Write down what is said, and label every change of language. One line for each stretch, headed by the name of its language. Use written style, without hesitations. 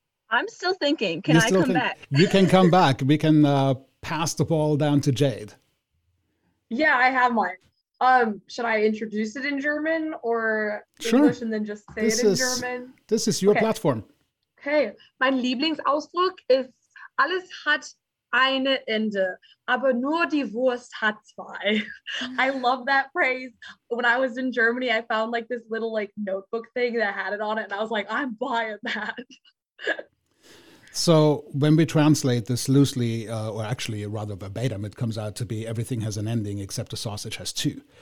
English: I'm still thinking. Can I come back? You can come back. We can pass the ball down to Jade. Yeah, I have mine. Should I introduce it in German or English and then just say German? This is your platform. Okay.
German: Mein Lieblingsausdruck ist alles hat eine Ende, aber nur die Wurst hat zwei.
English: I love that phrase. When I was in Germany, I found like this little like notebook thing that had it on it. And I was like, I'm buying that. So when we translate this loosely, or actually rather verbatim, it comes out to be everything has an ending except a sausage has two.